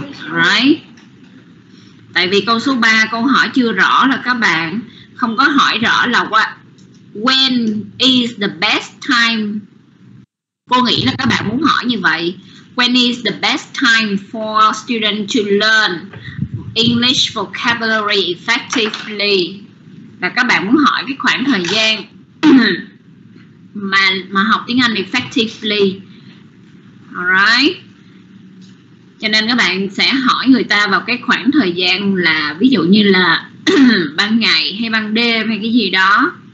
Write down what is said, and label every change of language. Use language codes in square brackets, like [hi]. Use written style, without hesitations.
[vi] Right. Tại vì câu số 3 câu hỏi chưa rõ là các bạn không có hỏi rõ là [en] when is the best time. [vi] Cô nghĩ là các bạn muốn hỏi như vậy. [en] When is the best time for students to learn English vocabulary effectively? [vi] Là các bạn muốn hỏi cái khoảng thời gian mà học tiếng Anh effectively. Alright. Cho nên các bạn sẽ hỏi người ta vào cái khoảng thời gian là ví dụ như là ban ngày hay ban đêm hay cái gì đó.